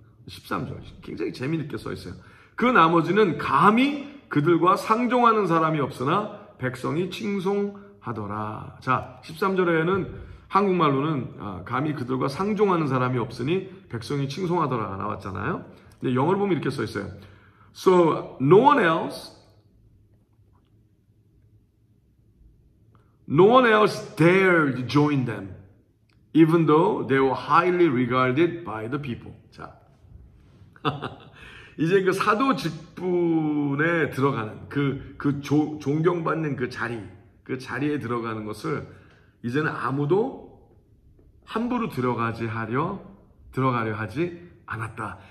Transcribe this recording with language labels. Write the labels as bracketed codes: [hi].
[ko] 13절 굉장히 재미있게 써 있어요. 그 나머지는 감히 그들과 상종하는 사람이 없으나 백성이 칭송하더라. 자, 13절에는 한국말로는 감히 그들과 상종하는 사람이 없으니 백성이 칭송하더라 나왔잖아요. 근데 영어로 보면 이렇게 써 있어요. [en] So no one else No one else dared join them, even though they were highly regarded by the people. [ko] 자, 이제 그 사도 직분에 들어가는 존경받는 그 자리에 들어가는 것을 이제는 아무도 함부로 들어가려 하지 않았다.